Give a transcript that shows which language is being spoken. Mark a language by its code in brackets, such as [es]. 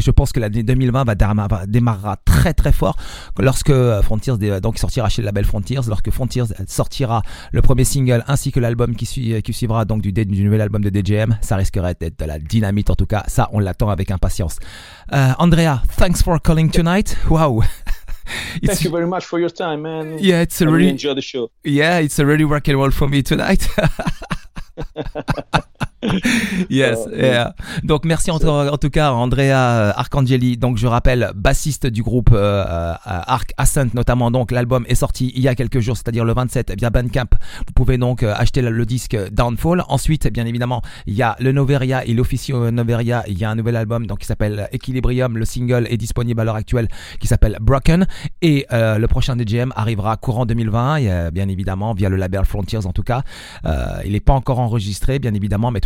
[fr] Je pense que l'année 2020 démarrera très très fort lorsque Frontiers donc sortira chez le label Frontiers, lorsque Frontiers sortira le premier single ainsi que l'album qui suivra donc du nouvel album de DGM. Ça risquerait d'être de la dynamique. En tout cas, ça, on l'attend avec impatience. [en] Andrea, thanks for calling tonight. Wow. Thank you very much for your time, man. Yeah, it's really, really enjoy the show. Yeah, it's a really working well for me tonight. Yes, yeah. [fr] Donc merci en tout cas Andrea Arcangeli, donc je rappelle, bassiste du groupe Arc Ascent notamment. Donc l'album est sorti il y a quelques jours, c'est-à-dire le 27 via Bandcamp. Vous pouvez donc acheter le disque Downfall. Ensuite, bien évidemment, il y a le Noveria, il officie au Noveria, il y a un nouvel album donc qui s'appelle Equilibrium, le single est disponible à l'heure actuelle qui s'appelle Broken, et le prochain DGM arrivera courant 2020 et, bien évidemment via le label Frontiers en tout cas. Il n'est pas encore enregistré bien évidemment, mais tout